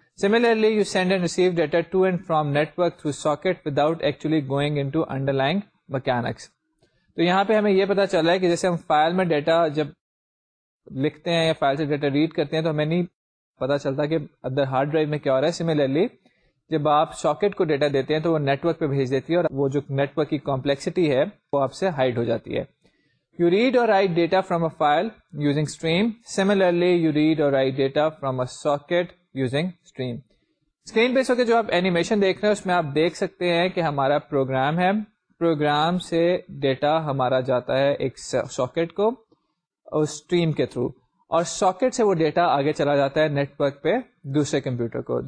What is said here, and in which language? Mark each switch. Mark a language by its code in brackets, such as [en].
[en] Similarly, you send and receive data to and from network through socket without actually going into underlying mechanics. [ur] تو یہاں پہ ہمیں یہ پتا چلا ہے کہ جیسے ہم فائل میں ڈیٹا جب لکھتے ہیں یا فائل سے ڈیٹا ریڈ کرتے ہیں تو ہمیں نہیں پتا چلتا کہ اندر ہارڈ ڈرائیو میں کیا ہو رہا ہے. سملرلی جب آپ ساکٹ کو ڈیٹا دیتے ہیں تو وہ نیٹورک پہ بھیج دیتی ہے اور وہ جو نیٹورک کی کمپلیکسٹی ہے وہ آپ سے ہائڈ ہو جاتی ہے. [en] You read or write data from a file using stream. Similarly, you read or write data from a socket using stream. [ur] Screen based ہو کے جو آپ animation دیکھ رہے ہیں اس میں آپ دیکھ سکتے ہیں کہ ہمارا پروگرام ہے, پروگرام سے ڈیٹا ہمارا جاتا ہے ایک ساکٹ کو اسٹریم کے تھرو, اور ساکٹ سے وہ ڈیٹا آگے چلا جاتا ہے نیٹورک پہ دوسرے کمپیوٹر کو.